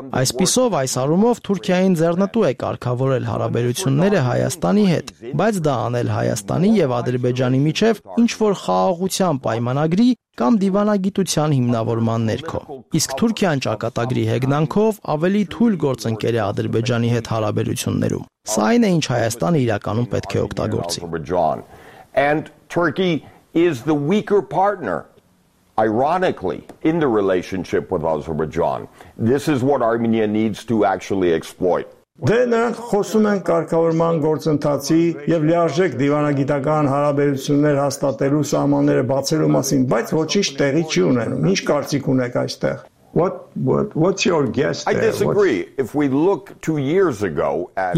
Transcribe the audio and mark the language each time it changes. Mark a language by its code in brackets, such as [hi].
[hy] Այսպիսով այս ով Թուրքիային ձեռնտու է կարգավորել հարաբերությունները Հայաստանի հետ, բայց դա անել Հայաստանի եւ Ադրբեջանի միջև ինչ որ խաղաղության պայմանագրի կամ դիվանագիտության հիմնավորման ներքո։ Իսկ Թուրքիան ճակատագրի հեգնանքով ավելի թույլ գործընկեր է Ադրբեջանի հետ հարաբերություններում։ Սա այն է, ինչ Հայաստանը իրականում պետք է օգտագործի։ [en] And Turkey is the weaker partner. Ironically, in the relationship with Azerbaijan, this is what Armenia needs to actually exploit. [hy] Դեն խոսում են կարգավորման գործընթացի եւ լիարժեք դիվանագիտական հարաբերություններ հաստատելու սահմանները բացելու մասին, բայց ոչինչ տեղի չի ունենում։ Ինչ կարծիք ունեք այստեղ? [en] What's your guess there? I disagree. If we look 2 years ago at